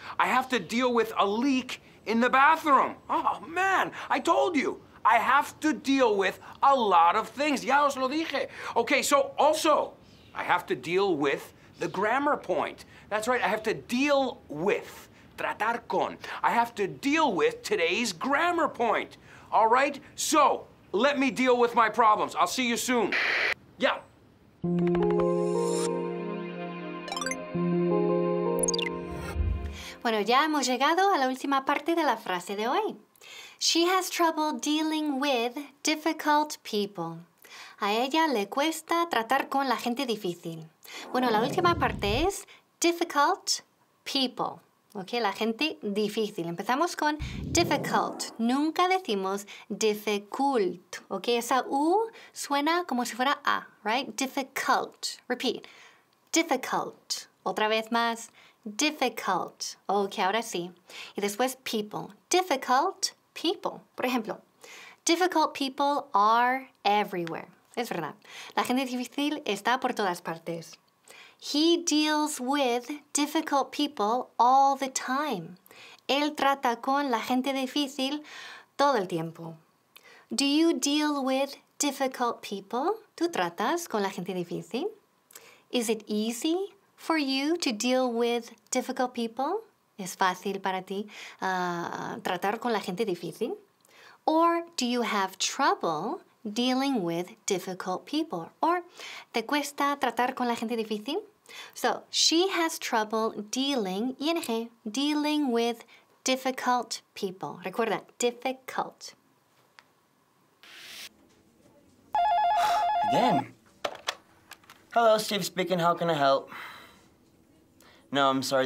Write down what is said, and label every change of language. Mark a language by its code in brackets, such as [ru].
[en] I have to deal with a leak in the bathroom. Oh man, I told you, I have to deal with a lot of things. Ya os lo dije. Okay, so also, I have to deal with The grammar point. That's right, I have to deal with. Tratar con. I have to deal with today's grammar point. All right? So, let me deal with my problems. I'll see you soon. Yeah. [es] Bueno, ya hemos llegado a la última parte de la frase de hoy. [en] She has trouble dealing with difficult people. [es] A ella le cuesta tratar con la gente difícil. Bueno, la última parte es difficult people. Ok, la gente difícil. Empezamos con difficult. Nunca decimos difficult. Ok, esa U suena como si fuera A, right? [en] Difficult. Repeat. Difficult. Otra vez más. [es] Difficult. Ok, ahora sí. Y después people. [en] Difficult people. Por ejemplo, difficult people are everywhere. Es verdad. [es] La gente difícil está por todas partes. [en] He deals with difficult people all the time. [es] Él trata con la gente difícil todo el tiempo. [en] Do you deal with difficult people? ¿Tú tratas con la gente difícil? Is it easy for you to deal with difficult people? [es] ¿Es fácil para ti tratar con la gente difícil? [en] Or do you have trouble dealing with difficult people? [es] Or ¿te cuesta tratar con la gente difícil? [en] So, she has trouble dealing, ING, dealing with difficult people. [es] Recuerda, difficult. [en] Again. Hello, Steve speaking. How can I help? No, I'm sorry.